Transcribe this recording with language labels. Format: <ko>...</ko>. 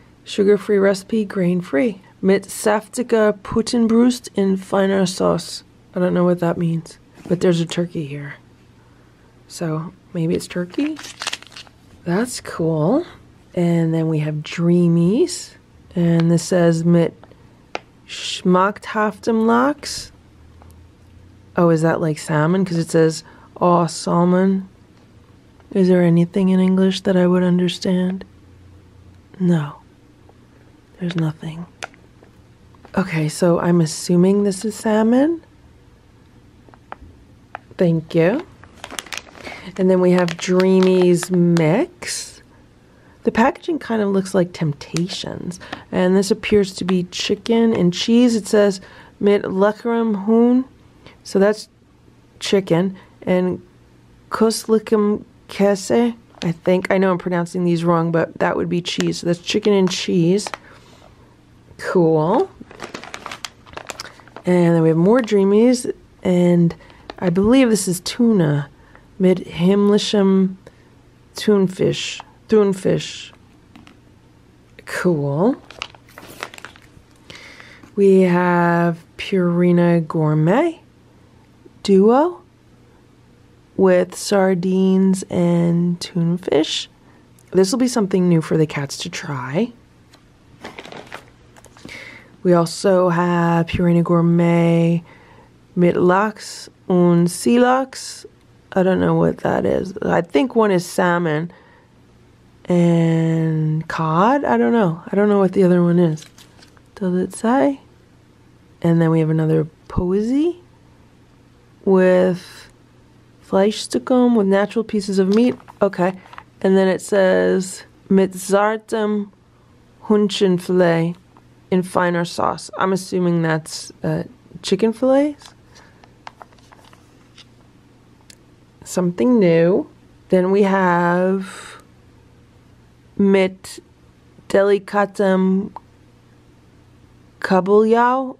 <en>Sugar-free recipe, grain-free.</en> <de>Mit saftiger Putenbrust in feiner Sauce.</de> <en>I don't know what that means, but there's a turkey here. So maybe it's turkey. That's cool. And then we have Dreamies. And this says</en> <de>mit schmackhaftem Lachs.</de> <en>Oh, is that like salmon? Because it says aw salmon. Is there anything in English that I would understand? No. There's nothing. Okay, so I'm assuming this is salmon. Thank you. And then we have Dreamies Mix. The packaging kind of looks like Temptations. And this appears to be chicken and cheese. It says</en> <de>mit leckerem Huhn.</de> <en>So that's chicken. And</en> <de>köstlichem Käse,</de> <en>I think. I know I'm pronouncing these wrong, but that would be cheese. So that's chicken and cheese. Cool. And then we have more Dreamies. And I believe this is tuna.</en> <de>Mit himmlischem Thunfisch. Thunfisch. Cool.</de> <en>We have Purina Gourmet Duo with sardines and thunfisch. This will be something new for the cats to try. We also have Purina Gourmet</en> <de>Mit Lachs und Sea Lachs.</de> <en>I don't know what that is. I think one is salmon. And cod? I don't know. I don't know what the other one is. Does it say? And then we have another Posy with Fleischstücken with natural pieces of meat. Okay. And then it says</en> <de>mit zartem Hühnchenfilet in feiner Sauce.</de> <en>I'm assuming that's chicken fillets. Something new. Then we have</en> <de>mit delikatem Kabeljau.</de>